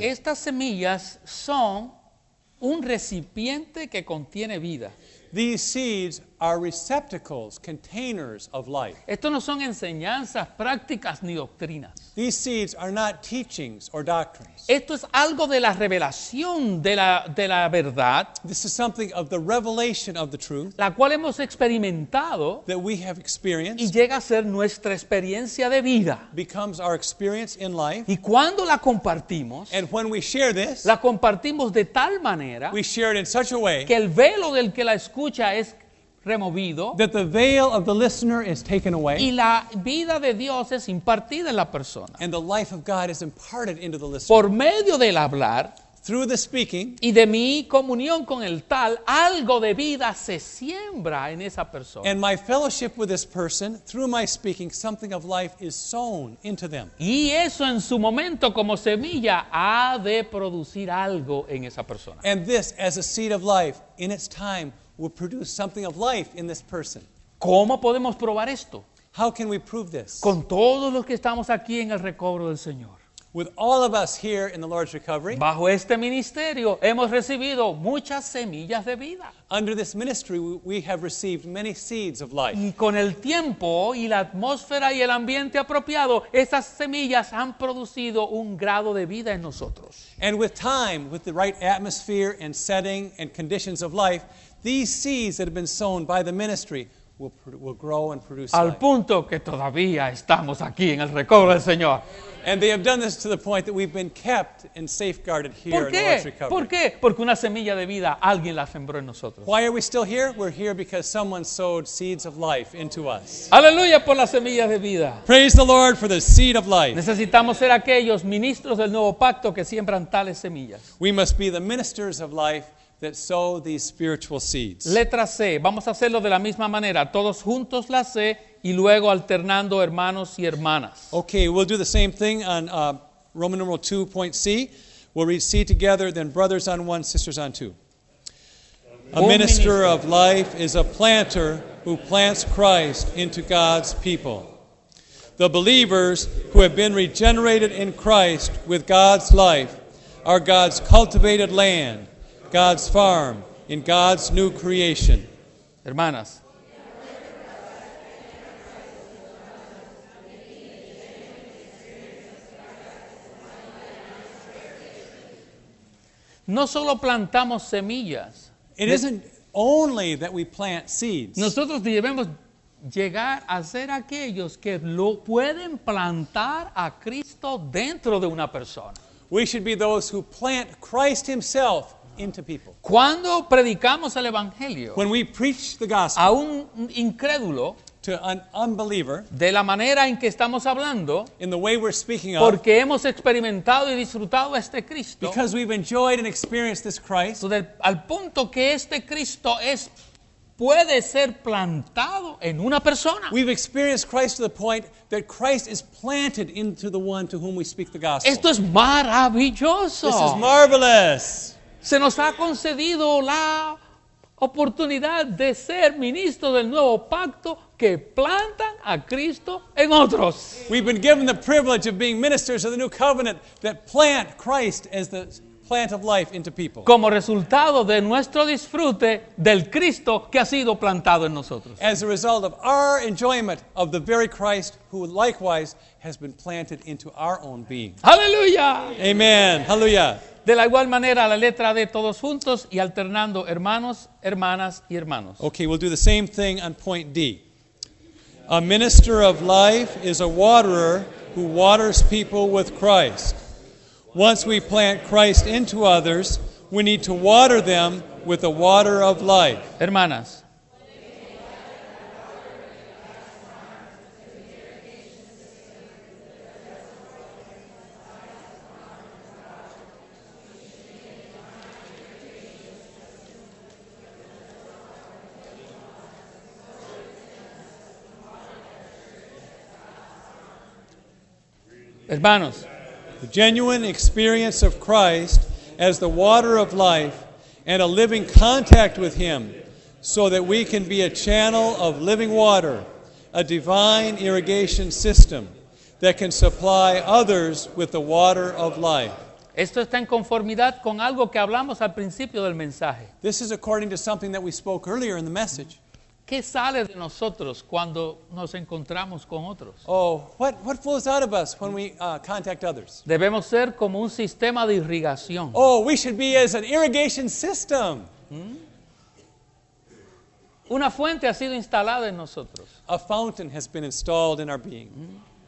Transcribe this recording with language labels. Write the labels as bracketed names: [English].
[Spanish] Estas semillas son un recipiente que contiene vida. [English] These seeds are receptacles, containers of life. [Spanish] Estos no son enseñanzas, prácticas ni doctrinas. [English] These seeds are not teachings or doctrines. [Spanish] Esto es algo de la revelación de la verdad. [English] This is something of the revelation of the truth. [Spanish] La cual hemos experimentado. [English] That we have experienced. [Spanish] Y llega a ser nuestra experiencia de vida. [English] Becomes our experience in life. [Spanish] Y cuando la compartimos. [English] And when we share this. [Spanish] La compartimos de tal manera. [English] We share it in such a way. [Spanish] Que el velo del que la escucha es removido, [English] that the veil of the listener is taken away. [Spanish] Y la vida de Dios es impartida en la persona. [English] And the life of God is imparted into the listener. [Spanish] Por medio del hablar. [English] Through the speaking. [Spanish] Y de mi comunión con el tal, algo de vida se siembra en esa persona. [English] And my fellowship with this person, through my speaking, something of life is sown into them. [Spanish] Y eso en su momento como semilla ha de producir algo en esa persona. [English] And this, as a seed of life, in its time, will produce something of life in this person. [Spanish] ¿Cómo podemos probar esto? [English] How can we prove this? [Spanish] Con todos los que estamos aquí en el recobro del Señor. [English] With all of us here in the Lord's recovery. [Spanish] Bajo este ministerio hemos recibido muchas semillas de vida. [English] Under this ministry we have received many seeds of life. [Spanish] Y con el tiempo y la atmósfera y el ambiente apropiado, esas semillas han producido un grado de vida en nosotros. [English] And with time, with the right atmosphere and setting and conditions of life, these seeds that have been sown by the ministry will grow and produce [Spanish] al [English] life. [Spanish] Punto que todavía estamos aquí en el recobro del Señor. [English] And they have done this to the point that we've been kept and safeguarded here [Spanish] ¿Por qué? [English] In the Lord's recovery. [Spanish] ¿Por qué? Porque una semilla de vida, alguien la sembró en nosotros. [English] Why are we still here? We're here because someone sowed seeds of life into us. [Spanish] Aleluya por las semillas de vida. [English] Praise the Lord for the seed of life. [Spanish] Necesitamos ser aquellos ministros del nuevo pacto que siembran tales semillas. [English] We must be the ministers of life that sow these spiritual seeds. [Spanish] Letra C. Vamos a hacerlo de la misma manera. Todos juntos la C y luego alternando hermanos y hermanas. [English] Okay, we'll do the same thing on Roman numeral 2 point C. We'll read C together, then brothers on one, sisters on two. A minister of life is a planter who plants Christ into God's people. The believers who have been regenerated in Christ with God's life are God's cultivated land, God's farm in God's new creation. [Spanish] Hermanas. No solo plantamos semillas. [English] It isn't only that we plant seeds. [Spanish] Nosotros debemos llegar a ser aquellos que lo pueden plantar a Cristo dentro de una persona. [English] We should be those who plant Christ himself into people. [Spanish] Cuando predicamos el evangelio, [English] when we preach the gospel, [Spanish] a un incrédulo, [English] to an unbeliever, [Spanish] de la manera en que estamos hablando, [English] in the way we're speaking of, [Spanish] porque hemos experimentado y disfrutado este Cristo, [English] because we've enjoyed and experienced this Christ, so that [Spanish] al punto que este Cristo es puede ser plantado en una persona. [English] We've experienced Christ to the point that Christ is planted into the one to whom we speak the gospel. [Spanish] Esto es maravilloso. [English] This is marvelous. [Spanish] Se nos ha concedido la oportunidad de ser ministro del nuevo pacto que plantan a Cristo en otros. [English] We've been given the privilege of being ministers of the new covenant that plant Christ as the plant of life into people. [Spanish] Como resultado de nuestro disfrute del Cristo que ha sido plantado en nosotros. [English] As a result of our enjoyment of the very Christ who likewise has been planted into our own being. [Spanish] Aleluya. [English] Amen. Aleluya. [Spanish] De la igual manera, la letra D, todos juntos y alternando hermanos, hermanas y hermanos. [English] Okay, we'll do the same thing on point D. A minister of life is a waterer who waters people with Christ. Once we plant Christ into others, we need to water them with the water of life. [Spanish] Hermanas. Hermanos, [English] the genuine experience of Christ as the water of life and a living contact with him so that we can be a channel of living water, a divine irrigation system that can supply others with the water of life. [Spanish] Esto está en conformidad con algo que hablamos al principio del mensaje. [English] This is according to something that we spoke earlier in the message. [Spanish] ¿Qué sale de nosotros cuando nos encontramos con otros? [English] Oh, what flows out of us when we contact others? [Spanish] Debemos ser como un sistema de irrigación. [English] Oh, we should be as an irrigation system. [Spanish] Una fuente ha sido instalada en nosotros. [English] A fountain has been installed in our being.